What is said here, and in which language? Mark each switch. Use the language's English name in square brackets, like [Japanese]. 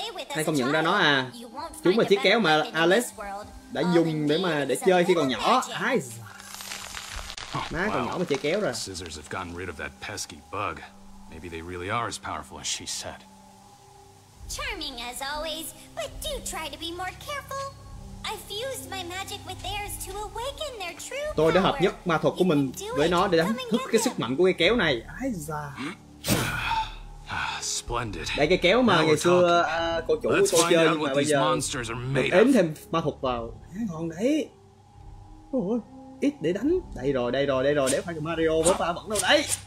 [Vietnamese] Hay không nhận ra nó à. Chúng là chiếc kéo mà Alice đã dùng để mà để chơi khi còn nhỏ. Ai dạ. Má còn nhỏ mà chơi kéo rồi. [English] Scissors have gotten rid of that pesky bug. Maybe they really are as powerful as she said. Charming as always, but do try to be more careful. I fused my magic with theirs to awaken their true power. [Vietnamese] Tôi đã hợp nhất ma thuật của mình với nó để đánh thức cái sức mạnh của cây kéo này. Ái da. [English] Splendid. [Vietnamese] Đây cây kéo mà ngày xưa cô chủ tôi chơi mà bây giờ được ếm thêm ma thuật vào. Ngon đấy. Ôi, ít để đánh. Đây rồi. Để phải cho Mario với pha vẫn đâu đấy.